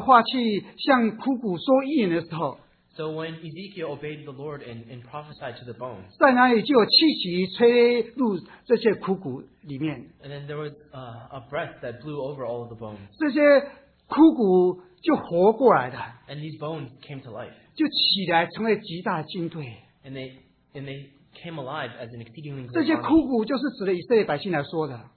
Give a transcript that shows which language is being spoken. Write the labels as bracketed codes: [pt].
[zh] 所以当以西结遵从神的话去向枯骨说预言的时候， [en] So when Ezekiel obeyed the Lord and prophesied to the bones, [zh] 在哪里就有气息吹入这些枯骨里面。 [en] And then there was a breath that blew over all of the bones. [zh] 这些枯骨就活过来的。 [en] And these bones came to life. [zh] 就起来成为极大的军队。 [en] And they came alive as an exceedingly great army. [zh] 这些枯骨就是指的以色列百姓来说的。